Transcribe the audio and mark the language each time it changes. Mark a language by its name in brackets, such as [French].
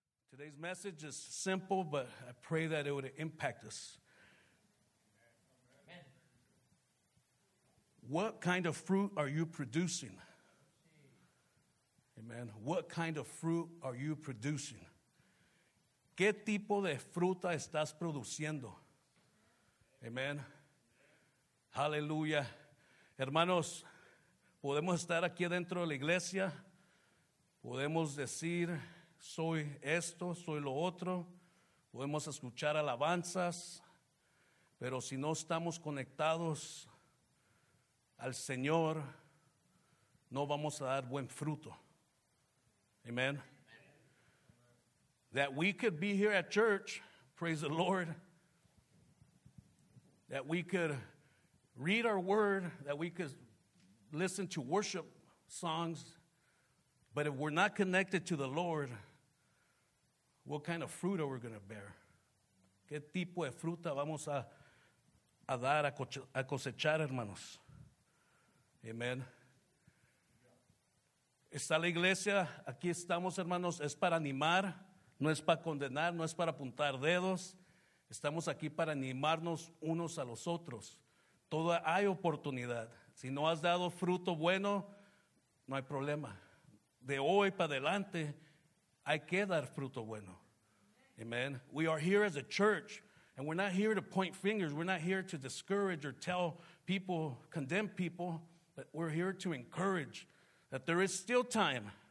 [English] Today's message is simple, but I pray that it would impact us. What kind of fruit are you producing? Amen. What kind of fruit are you producing? [Spanish] ¿Qué tipo de fruta estás produciendo? Amen. Hallelujah. Hermanos, podemos estar aquí dentro de la iglesia. Podemos decir, soy esto, soy lo otro. Podemos escuchar alabanzas. Pero si no estamos conectados al Señor, no vamos a dar buen fruto. Amen. [English] That we could be here at church, praise the Lord. That we could read our word, that we could listen to worship songs. But if we're not connected to the Lord, what kind of fruit are we going to bear? [Spanish] ¿Qué tipo de fruta vamos a dar, a cosechar, hermanos? Amen. Está la iglesia, aquí estamos, hermanos, es para animar, no es para condenar, no es para apuntar dedos. Estamos aquí para animarnos unos a los otros. Todo hay oportunidad. Si no has dado fruto bueno, no hay problema. De hoy para adelante, hay que dar fruto bueno. Amen. [English] We are here as a church, and we're not here to point fingers. We're not here to discourage or tell people, condemn people, but we're here to encourage that there is still time.